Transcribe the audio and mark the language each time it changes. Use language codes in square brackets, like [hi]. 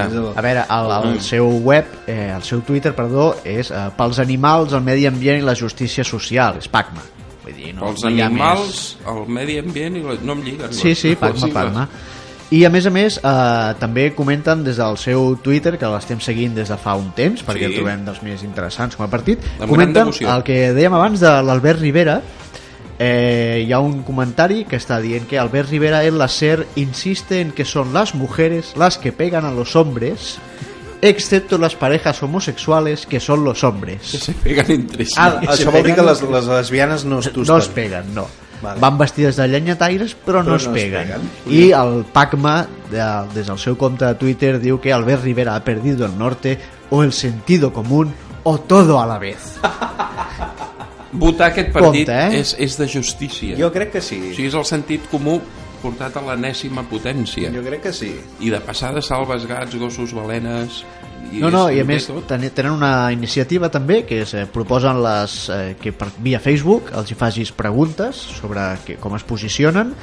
[ca] A veure, el seu web, el seu Twitter, perdó, és pels animals, el medi ambient i la justícia social. És Pac-Man. Els animals, el medi ambient i no em lliguen. Sí, sí, Pac-Man. I a més, també comenten des del seu Twitter, que l'estem seguint des de fa un temps, perquè sí, el trobem dels més interessants com a partit, de comenten el que dèiem abans de l'Albert Rivera. Hi ha un comentari que està dient que Albert Rivera en la SER [es] insiste en que son las mujeres las que pegan a los hombres, excepto las parejas homosexuales, que son los hombres. Que se pegan entre sí. [ca] Això vol dir que les lesbianes no es tusten. No es peguen, no. Vale. Van vestides de llenyataires, però no es peguen. I el Pacma, des del seu compte de Twitter, diu que Albert Rivera [es] ha perdido el norte, o el sentido común, o todo a la vez. [ca] Votar aquest partit és de justícia. Jo crec que sí. O sigui, és el sentit comú portat a l'enèsima potència. Jo crec que sí. I de passada salves gats, gossos, balenes... I no, i a més tenen una iniciativa també, que és proposen les que per via Facebook els hi facis preguntes sobre com es posicionen.